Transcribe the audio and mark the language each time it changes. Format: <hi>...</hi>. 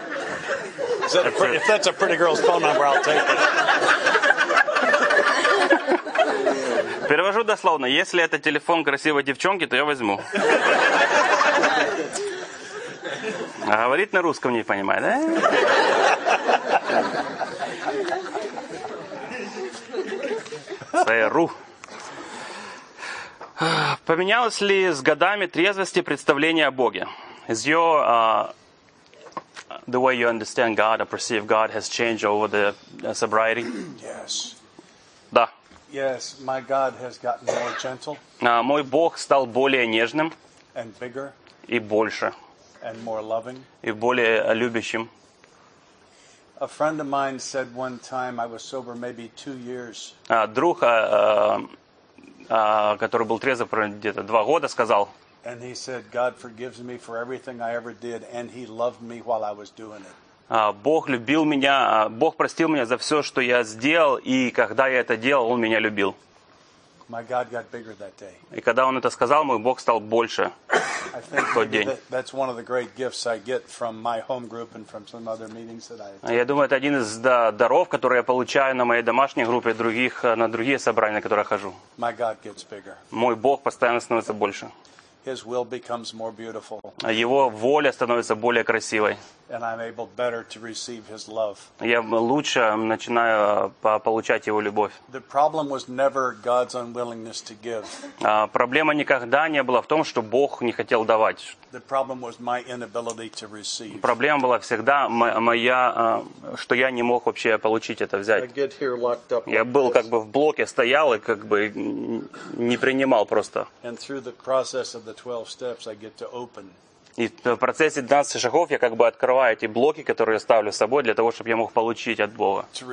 <en>If that's a pretty girl's phone number, I'll take it.</en> <ru>Перевожу дословно. Если это телефон красивой девчонки, то я возьму. А говорит на русском не понимает, да? Сэру. Поменялось ли с годами трезвости представление о Боге?</ru> <en>Is your the way you understand God or perceive God has changed over the sobriety? Yes.</en> <ru>Да.</ru> <en>Yes, my God has gotten more gentle.</en> <ru>Мой Бог стал более нежным.</ru> <en>And bigger.</en> <ru>И больше.</ru> <en>And more loving.</en> <ru>И более любящим.</ru> <en>A friend of mine said one time I was sober maybe 2 years.</en> <ru>Друг, который был трезв где-то 2 года, сказал.</ru> <en>And he said, God forgives me for everything I ever did, and he loved me while I was doing it.</en> <ru>Бог любил меня, Бог простил меня за все, что я сделал, и когда я это делал, он меня любил.</ru> <en>My God got bigger that day.</en> <ru>И когда он это сказал, мой Бог стал больше тот день. Я думаю, это один из даров, который я получаю на моей домашней группе, других, на другие собрания, на которые я хожу.</ru> <en>My God gets bigger.</en> <ru>Мой Бог постоянно становится больше.</ru> <en>His will becomes more beautiful.</en> <ru>Его воля становится более красивой.</ru> <en>And I'm able better to receive his love.</en> <ru>Я лучше начинаю получать его любовь.</ru> <en>The problem was never God's unwillingness to give.</en> <ru>Проблема никогда не была в том, что Бог не хотел давать.</ru> <en>The problem was my inability to receive.</en> <ru>Проблема была всегда моя, что я не мог вообще получить это, взять.</ru> <en>I get here locked up.</en> <ru>Я был как бы в блоке, стоял и как бы не принимал просто.</ru> <en>And through the process of the 12 steps, I get to open.</en> <ru>И в процессе 12 шагов я как бы открываю эти блоки, которые я ставлю с собой, для того, чтобы я мог получить от Бога.</ru>